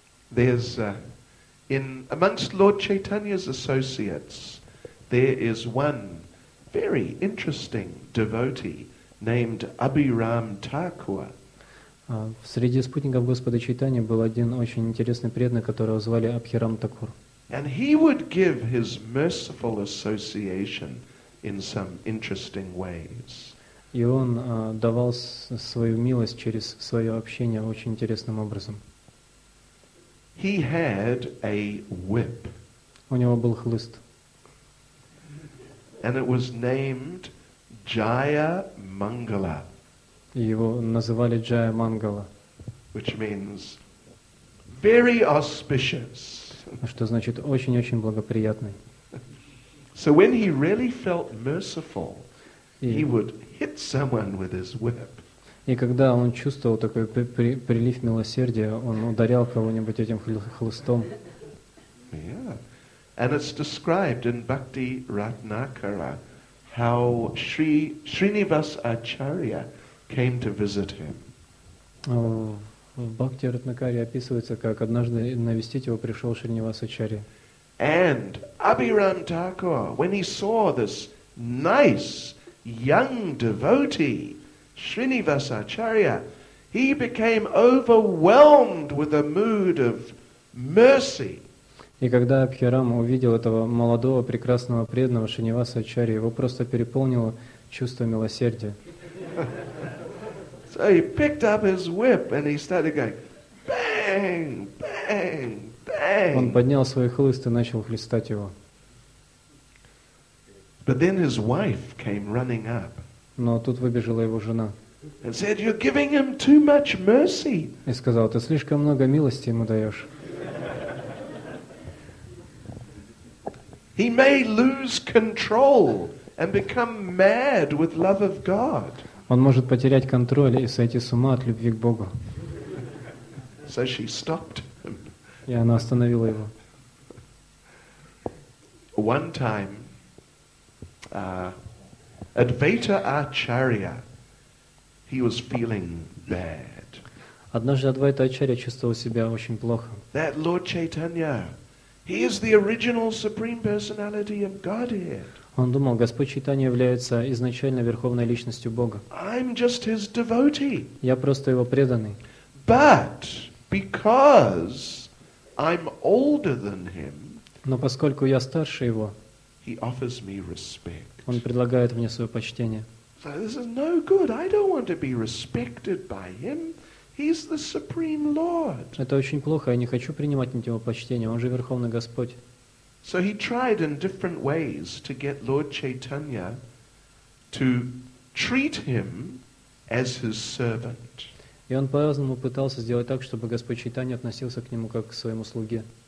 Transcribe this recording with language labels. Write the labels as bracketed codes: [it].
[en] There's in amongst Lord Chaitanya's associates, there is one very interesting devotee named Abhiram Thakur. [ru] Среди спутников Господа Чайтани был один очень интересный преданный, которого звали Абхирам Такур. [en] And he would give his merciful association in some interesting ways. [ru] И он давал свою милость через свое общение очень интересным образом. [en] He had a whip. [ru] У него был хлыст. [en] And it was named Jaya Mangala. [ru] Его называли Джая Мангала. [en] Which means very auspicious. [ru] Что значит очень-очень благоприятный. [en] So when he really felt merciful, he would hit someone with his whip. [ru] И когда он чувствовал такой прилив милосердия, он ударял кого-нибудь этим хлыстом. [en] Yeah. And it's described in Bhakti Ratnakara how Srinivas Acharya came to visit him. [ru] В Бхакти Ратнакаре описывается, как однажды навестить его пришел Шринивас Ачарья. [en] And Abhiram Thakur, when he saw this nice young devotee, Srinivas Acharya, he became overwhelmed with a mood of mercy. [ru] И когда Абхирам увидел этого молодого, прекрасного, преданного Шриниваса Ачарья, его просто переполнило чувство милосердия. [en] So he picked up his whip and he started going bang, bang, bang. [ru] Он поднял свой хлыст и начал хлестать его. [en] But then his wife came running up. [ru] Но тут выбежала его жена. [en] And said, "You're giving him too much mercy." [ru] И сказала, ты слишком много милости ему даешь. [en] He may lose control and become mad with love of God. [ru] Он может потерять контроль и сойти с ума от любви к Богу. [en] So she stopped him [ru] И она остановила его. [en] One time, Advaita Acharya, he was feeling bad. [ru] Однажды Адвайта Ачарья чувствовал себя очень плохо. [en] That Lord Chaitanya, he is the original supreme personality of Godhead. [ru] Он думал, Господь Чайтанья является изначально верховной личностью Бога. [en] I'm just his devotee. [ru] Я просто его преданный. [en] But because I'm older than him, [ru] но поскольку я старше его, [en] he offers me respect. [ru] Он предлагает мне свое почтение. [en] So this is no good. I don't want to be respected by him. He's the supreme lord. [ru] Это очень плохо. Я не хочу принимать от него почтение. Он же верховный Господь. [en] So he tried in different ways to get Lord Chaitanya to treat him as his servant. [ru] И он по-разному пытался сделать так, чтобы Господь Чайтанья относился к нему как к своему слуге.